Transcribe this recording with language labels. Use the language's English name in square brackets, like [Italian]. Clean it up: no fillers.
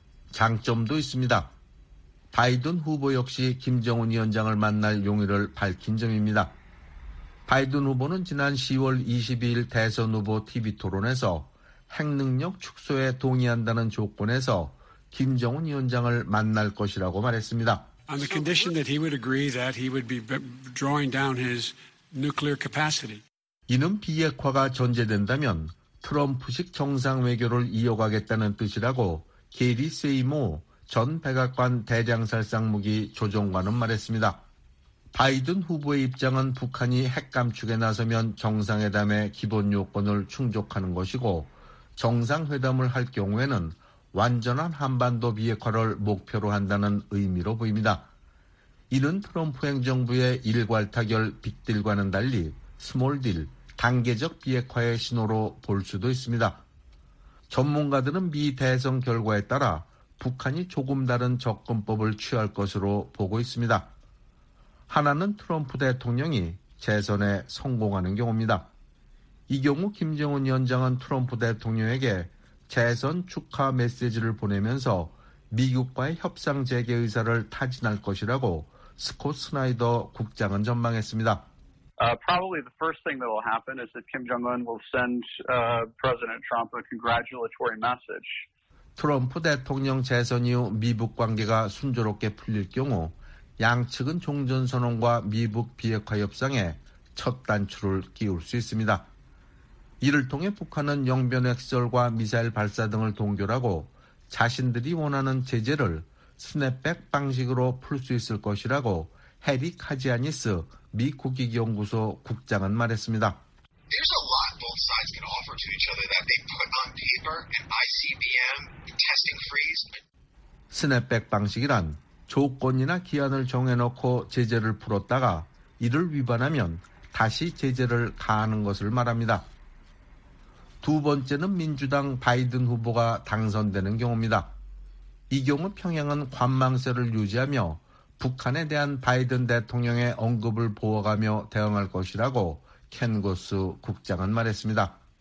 [Korean] 장점도 있습니다. 바이든 후보 역시 김정은 위원장을 만날 용의를 밝힌 점입니다. 바이든 후보는 지난 10월 22일 대선 후보 TV 토론에서 핵 능력 축소에 동의한다는 조건에서 김정은 위원장을 만날 것이라고 말했습니다. [English] On the condition that he would agree that he would be drawing down his nuclear capacity. [Korean] 이는 비핵화가 전제된다면 트럼프식 정상 외교를 이어가겠다는 뜻이라고 게리 세이모 전 백악관 대량살상무기 조정관은 말했습니다. 바이든 후보의 입장은 북한이 핵 감축에 나서면 정상회담의 기본 요건을 충족하는 것이고 정상회담을 할 경우에는 완전한 한반도 비핵화를 목표로 한다는 의미로 보입니다. 이는 트럼프 행정부의 일괄 타결 빅딜과는 달리 스몰딜, 단계적 비핵화의 신호로 볼 수도 있습니다. 전문가들은 미 대선 결과에 따라 북한이 조금 다른 접근법을 취할 것으로 보고 있습니다. 하나는 트럼프 대통령이 재선에 성공하는 경우입니다. 이 경우 김정은 위원장은 트럼프 대통령에게 재선 축하 메시지를 보내면서 미국과의 협상 재개 의사를 타진할 것이라고 스콧 스나이더 국장은 전망했습니다. [English] Probably the first thing that will happen is that Kim Jong-un will send President Trump a congratulatory message. [Korean] 트럼프 대통령 재선 이후 미북 관계가 순조롭게 풀릴 경우 양측은 종전선언과 미북 비핵화 협상에 첫 단추를 끼울 수 있습니다. 이를 통해 북한은 영변 핵시설과 미사일 발사 등을 동결하고 자신들이 원하는 제재를 스냅백 방식으로 풀 수 있을 것이라고 해리 카지아니스 미 국익연구소 국장은 말했습니다. [English] There's a lot both sides can offer to each other that they put on paper and ICBM testing freeze. [Korean] 스냅백 방식이란 조건이나 기한을 정해놓고 제재를 풀었다가 이를 위반하면 다시 제재를 가하는 것을 말합니다. 두 번째는 민주당 바이든 후보가 당선되는 경우입니다. 이 경우 평양은 관망세를 유지하며 북한에 대한 바이든 대통령의 언급을 보호하며 대응할 것이라고 켄 고스 국장은 말했습니다.